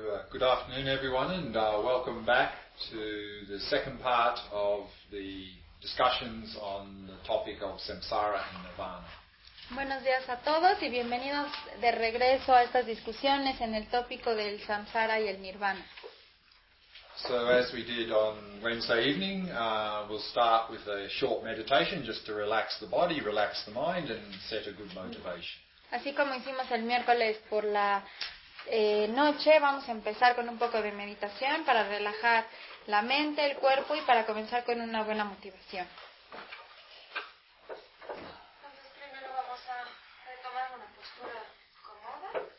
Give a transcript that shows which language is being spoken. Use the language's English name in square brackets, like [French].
[English] Good afternoon, everyone, and welcome back to the second part of the discussions on the topic of samsara and nirvana. [Spanish] Buenos días a todos y bienvenidos de regreso a estas discusiones en el tópico del samsara y el nirvana. [English] So as we did on Wednesday evening, we'll start with a short meditation just to relax the body, relax the mind, and set a good motivation. [Spanish] Así como hicimos el miércoles por la noche, vamos a empezar con un poco de meditación para relajar la mente, el cuerpo y para comenzar con una buena motivación. Entonces primero vamos a retomar una postura cómoda.